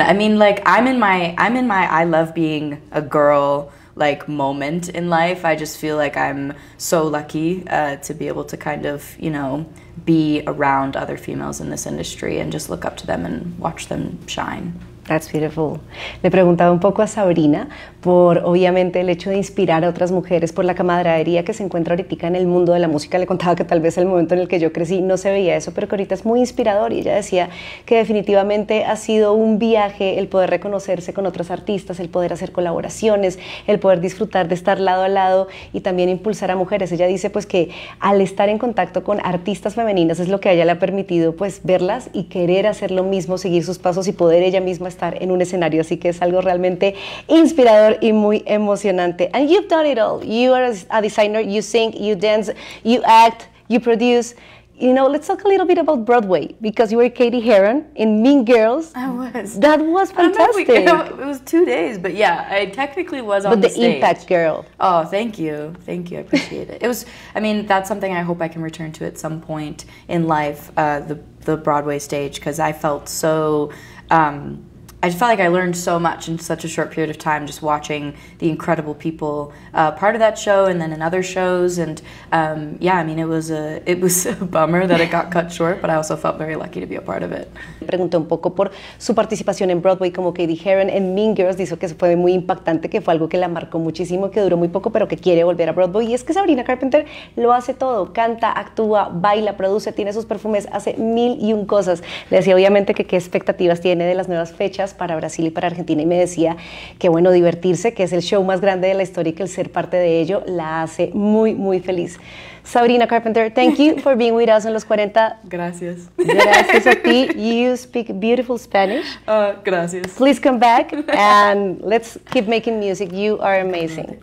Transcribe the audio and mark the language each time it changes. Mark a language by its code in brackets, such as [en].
[en] I mean, like, I'm in my I love being a girl like moment in life. I just feel like I'm so lucky to be able to kind of, you know, be around other females in this industry and just look up to them and watch them shine. That's beautiful. [es] Le preguntaba un poco a Sabrina por, obviamente, el hecho de inspirar a otras mujeres, por la camaradería que se encuentra ahorita en el mundo de la música. Le contaba que tal vez el momento en el que yo crecí no se veía eso, pero que ahorita es muy inspirador. Y ella decía que definitivamente ha sido un viaje el poder reconocerse con otras artistas, el poder hacer colaboraciones, el poder disfrutar de estar lado a lado y también impulsar a mujeres. Ella dice pues que al estar en contacto con artistas femeninas es lo que a ella le ha permitido pues verlas y querer hacer lo mismo, seguir sus pasos y poder ella misma estar en un escenario, así que es algo realmente inspirador y muy emocionante. [en] And you've done it all. You are a designer, you sing, you dance, you act, you produce. You know, let's talk a little bit about Broadway, because you were Katie Heron in Mean Girls. I was. That was fantastic. It was 2 days, but yeah, I technically was on the stage. The impact girl. Oh, thank you. Thank you. I appreciate it. It was, I mean, that's something I hope I can return to at some point in life, the Broadway stage, because I felt so... I just felt like I learned so much in such a short period of time, just watching the incredible people part of that show and then in other shows. And yeah, I mean, it was a bummer that it got cut short, but I also felt very lucky to be a part of it. [es] Preguntó un poco por su participación en Broadway como Katie Heron en Mean Girls. Dijo que fue muy impactante, que fue algo que la marcó muchísimo, que duró muy poco, pero que quiere volver a Broadway. Y es que Sabrina Carpenter lo hace todo. Canta, actúa, baila, produce, tiene sus perfumes, hace mil y un cosas. Le decía obviamente que qué expectativas tiene de las nuevas fechas para Brasil y para Argentina, y me decía que bueno, divertirse, que es el show más grande de la historia, y que el ser parte de ello la hace muy, muy feliz. [en] Sabrina Carpenter, thank you for being with us on Los 40. [es] Gracias. Gracias a ti. [en] You speak beautiful Spanish. [es] Gracias. [en] Please come back and let's keep making music. You are amazing.